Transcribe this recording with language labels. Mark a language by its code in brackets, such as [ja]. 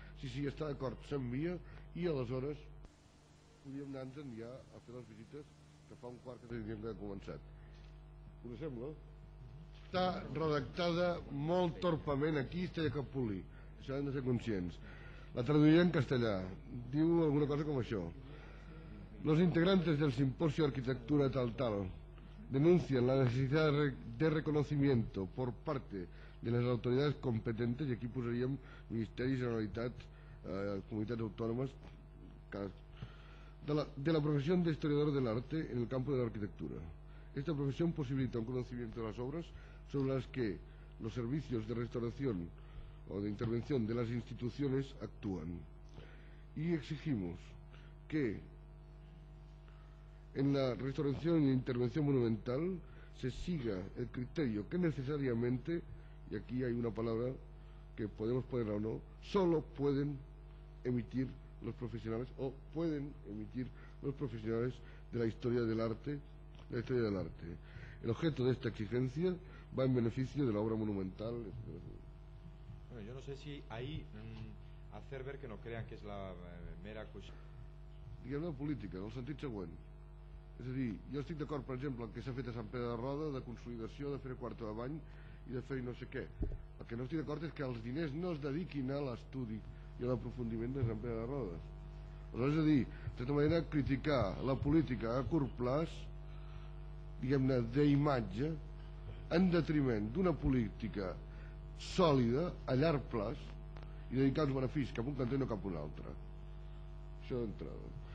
[ca] Si s'hi està d'acord, s'envia, i aleshores podríem anar-nos-en ja a fer les visites, que fa un quart que tindríem que haver començat. Us sembla? Està redactada molt torpament aquí, està de cap polir. Això hem de ser conscients. La traduiré en castellà. Diu alguna cosa com això. [es] Los integrantes del Simposio de Arquitectura tal, denuncian la necesidad de reconocimiento por parte de las autoridades competentes, y [ca] aquí posaríem Ministeri, Generalitat, Comunitats Autònomes, [es] de la profesión de historiador del arte en el campo de la arquitectura. Esta profesión posibilita un conocimiento de las obras sobre las que los servicios de restauración o de intervención de las instituciones actúan. Y exigimos que en la restauración e intervención monumental se siga el criterio que necesariamente, y aquí hay una palabra que podemos poner o no, solo pueden emitir los profesionales o pueden emitir los profesionales de la historia del arte, la historia del arte. El objeto de esta exigencia va en beneficio de la obra monumental. Bueno, yo no sé si ahí hacer ver que no crean que es la mera cuestión. [ca] Diguem-ne política, en el sentit següent. És a dir, jo estic d'acord, per exemple, en què s'ha fet a Sant Pere de Roda, de consolidació, de fer quarta de bany i de fer no sé què. El que no estic d'acord és que els diners no es dediquin a l'estudi i a l'aprofundiment de Sant Pere de Roda. Aleshores, és a dir, de tota manera, criticar la política a curt plaç, diguem-ne, d'imatge, en detriment d'una política sòlida, a llarg plaç, i dedicar els beneficis cap a un cantó i no cap a un altre. Això d'entrada.